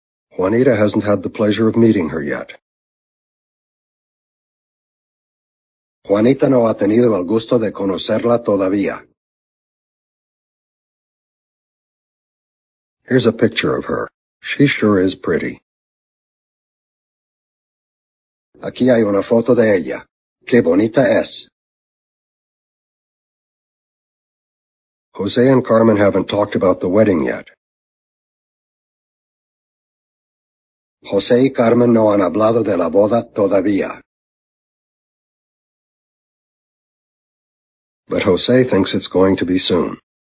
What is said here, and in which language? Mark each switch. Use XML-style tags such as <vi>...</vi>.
<en>Juanita hasn't had the pleasure of meeting her yet.</en> <es>Juanita no ha tenido el gusto de conocerla todavía.</es> <en>Here's a picture of her. She sure is pretty.</en> <es>Aquí hay una foto de ella. ¡Qué bonita es!</es> <en>José and Carmen haven't talked about the wedding yet.</en> <es>José y Carmen no han hablado de la boda todavía.</es> <en>But José thinks it's going to be soon.</en>